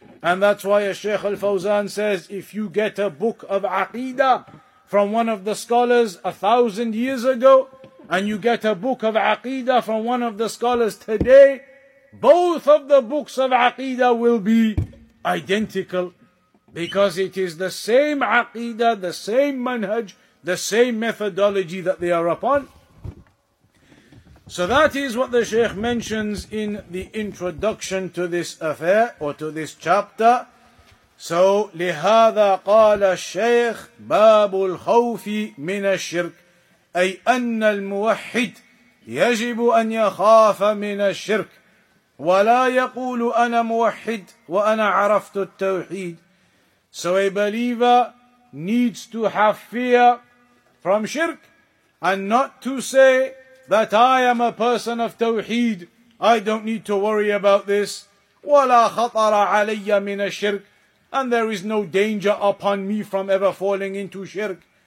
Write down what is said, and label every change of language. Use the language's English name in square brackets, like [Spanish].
[English] And that's why a Shaykh al-Fawzan says, if you get a book of aqidah from one of the scholars 1,000 years ago, and you get a book of aqidah from one of the scholars today, both of the books of aqidah will be identical. Because it is the same aqidah, the same manhaj, the same methodology that they are upon. So that is what the Shaykh mentions in the introduction to this affair, or to this chapter. [Arabic] So, لِهَذَا قَالَ الشَّيْخ بَابُ الْخَوْفِ مِنَ الشِّرْكِ أي أن الموحد يجب أن يخاف من الشرك ولا يقول أنا موحد وأنا عرفت التوحيد. [English] So a believer needs to have fear from shirk and not to say that I am a person of tawheed, I don't need to worry about this. [Arabic] ولا خطر علي من الشرك, [English] and there is no danger upon me from ever falling into shirk.